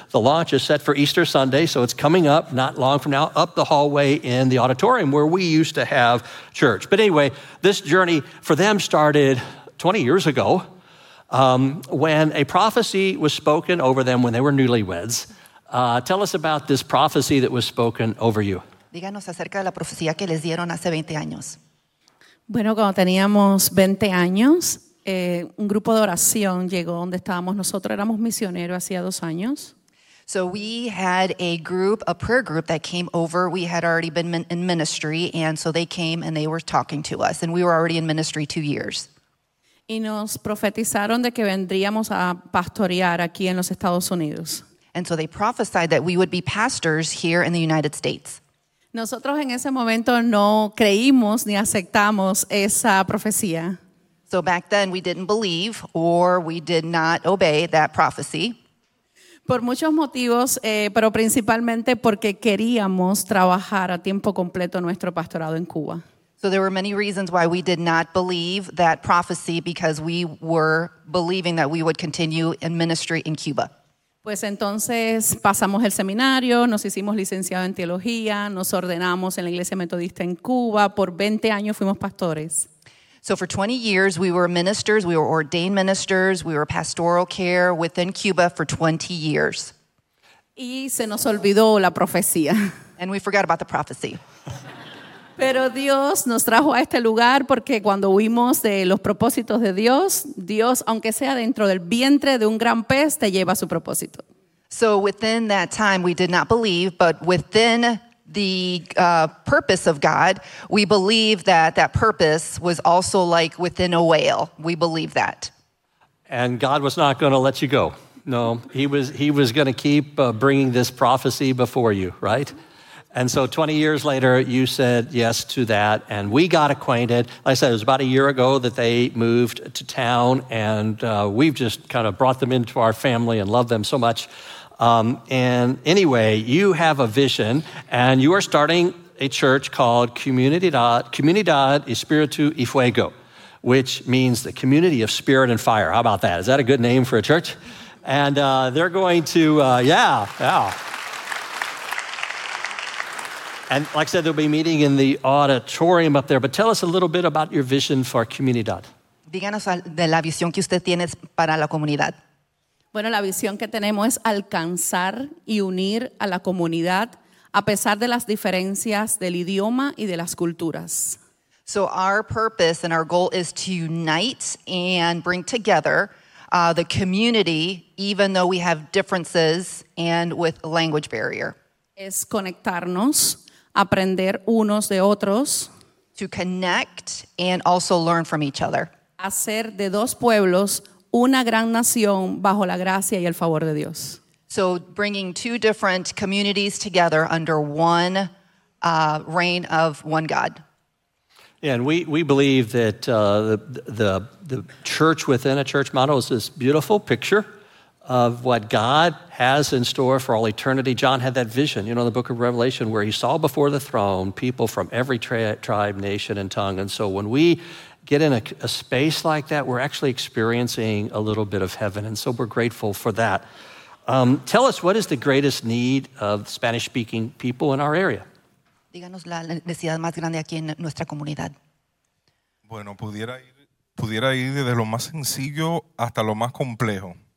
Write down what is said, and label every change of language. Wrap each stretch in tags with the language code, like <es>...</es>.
<en>The launch is set for Easter Sunday, so it's coming up not long from now, up the hallway in the auditorium where we used to have church. But anyway, this journey for them started 20 years ago when a prophecy was spoken over them when they were newlyweds. Tell us about this prophecy that was spoken over you.</en> <es>Díganos acerca de la profecía que les dieron hace 20 años. Bueno, cuando teníamos 20 años, un grupo de oración llegó donde estábamos. Nosotros éramos misioneros hacía 2 años.</es> <en>So we had a prayer group that came over. We had already been in ministry, and so they came and they were talking to us, and we were already in ministry 2 years.</en> <es>Y nos profetizaron de que vendríamos a pastorear aquí en los Estados Unidos.</es> <en>And so they prophesied that we would be pastors here in the United States.</en> <es>Nosotros en ese momento no creímos ni aceptamos esa profecía.</es> <en>So back then we didn't believe or we did not obey that prophecy.</en> <es>Por muchos motivos, pero principalmente porque queríamos trabajar a tiempo completo nuestro pastorado en Cuba.</es> <en>So there were many reasons why we did not believe that prophecy, because we were believing that we would continue in ministry in Cuba.</en> <es>Pues entonces pasamos el seminario, nos hicimos licenciado en teología, nos ordenamos en la iglesia metodista en Cuba, por 20 años fuimos pastores.</es> <en>So for 20 years we were ministers, we were ordained ministers, we were pastoral care within Cuba for 20 years.</en> <es>Y se nos olvidó la profecía.</es> <en>And we forgot about the prophecy.</en> <es>Pero Dios nos trajo a este lugar porque cuando huimos de los propósitos de Dios, Dios, aunque sea dentro del vientre de un gran pez, te lleva a su propósito.</es> <en>So within that time, we did not believe, but within the purpose of God, we believe that that purpose was also like within a whale. We believe that. And God was not going to let you go. No, he was going to keep bringing this prophecy before you, right? And so 20 years later, you said yes to that, and we got acquainted. Like I said, it was about a year ago that they moved to town, and we've just kind of brought them into our family and love them so much. And anyway, you have a vision, and you are starting a church called Comunidad Espíritu y Fuego, which means the community of spirit and fire. How about that? Is that a good name for a church? And they're going to, And like I said, they'll be meeting in the auditorium up there. But tell us a little bit about your vision for Comunidad.</en> <es>Díganos de la visión que usted tiene para la comunidad. Bueno, la visión que tenemos es alcanzar y unir a la comunidad a pesar de las diferencias del idioma y de las culturas.</es> <en>So our purpose and our goal is to unite and bring together the community, even though we have differences and with language barrier.</en> <es>Es conectarnos. Aprender unos de otros.</es> <en>To connect and also learn from each other.</en> <es>Hacer de dos pueblos una gran nación bajo la gracia y el favor de Dios.</es> <en>So bringing two different communities together under one reign of one God. And we believe that the church within a church model is this beautiful picture of what God has in store for all eternity. John had that vision, you know, the book of Revelation, where he saw before the throne people from every tribe, nation, and tongue. And so when we get in a space like that, we're actually experiencing a little bit of heaven. And so we're grateful for that. Tell us, what is the greatest need of Spanish-speaking people in our area?</en> <es>Díganos la necesidad más grande aquí en nuestra comunidad. Bueno, pudiera ir desde lo más sencillo hasta lo más complejo.</es>